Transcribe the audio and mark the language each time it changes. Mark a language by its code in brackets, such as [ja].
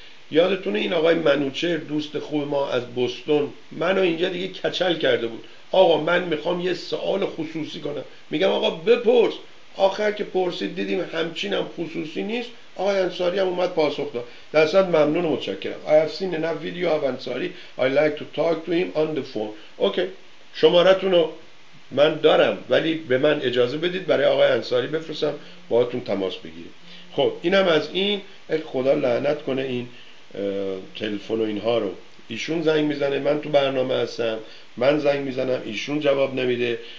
[fa] یادتونه این آقای منوچهر دوست خوب ما از بوستون منو اینجا دیگه کچل کرده بود، آقا من میخوام یه سوال خصوصی کنم. میگم آقا بپرس. آخر که پرسید دیدیم همچینم خصوصی نیست، آقای انصاری هم اومد پاسخ داد. درصد ممنون و متشکرم. [en] I have seen enough video of Ansari. I like to talk to him on the phone. Okay. [fa] شماره تونو من دارم، ولی به من اجازه بدید برای آقای انصاری بفرستم باهاتون تماس بگیرید. خب اینم از این. خدا لعنت کنه این تلفن و اینها رو. ایشون زنگ میزنه، من تو برنامه هستم، من زنگ میزنم، ایشون جواب نمیده.